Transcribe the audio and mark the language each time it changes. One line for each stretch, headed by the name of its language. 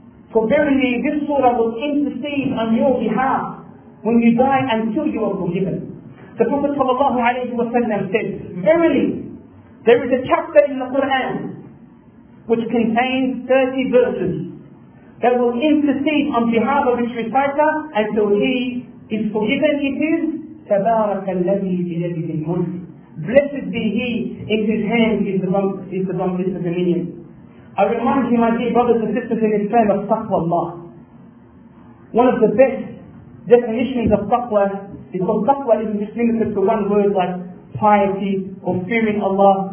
English: For verily, this surah will intercede on your behalf when you die until you are forgiven. The Prophet sallallahu alayhi wa sallam said, verily, there is a chapter in the Quran which contains 30 verses that will intercede on behalf of its reciter until he is forgiven. It is
Arabic: تبارك الذي بيده الملك.
English: Blessed be he in whose hand is the dominion. I remind you, my dear brothers and sisters, in Islam of taqwa Allah. One of the best definitions of taqwa, because taqwa isn't just limited to one word like piety or fearing Allah.